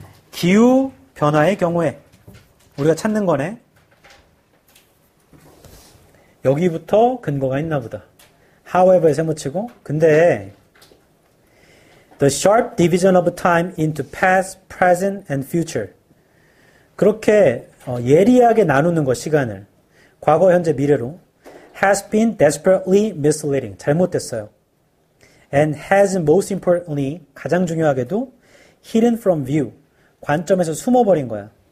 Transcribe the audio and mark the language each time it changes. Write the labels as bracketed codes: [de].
[ko] 기후 변화의 경우에 우리가 찾는 거네. 여기부터 근거가 있나 보다. [en] However에 [ko] 세모치고, 근데 [en] The sharp division of time into past, present, and future. [ko] 그렇게 예리하게 나누는 것, 시간을. 과거, 현재, 미래로. [en] Has been desperately misleading. [ko] 잘못됐어요. [en] And has, most importantly, [ko] 가장 중요하게도, [en] hidden from view. [ko] 관점에서 숨어버린 거야.